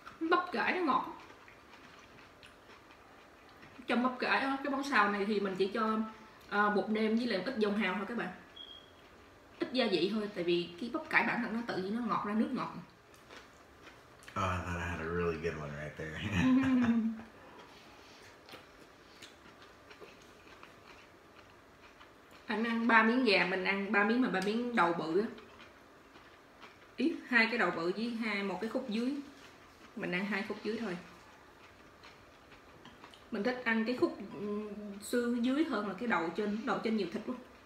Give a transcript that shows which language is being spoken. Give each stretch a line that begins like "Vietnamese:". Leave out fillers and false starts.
Vietnamese: Bắp cải nó ngọt. Trong bắp cải đó, cái món xào này thì mình chỉ cho bột nêm với lại ít dầu hào thôi các bạn. Ít gia vị thôi, tại vì cái bắp cải bản thân nó tự nhiên nó ngọt ra nước ngọt.
English: Oh, I thought I had a really good one right there.
Vietnamese: Anh ăn 3 miếng gà, mình ăn 3 miếng mà 3 miếng đầu bự á. Ý, 2 cái đầu bự với 2, 1 cái khúc dưới. Mình ăn 2 khúc dưới thôi. Mình thích ăn cái khúc xương dưới hơn là cái đầu trên nhiều thịt luôn.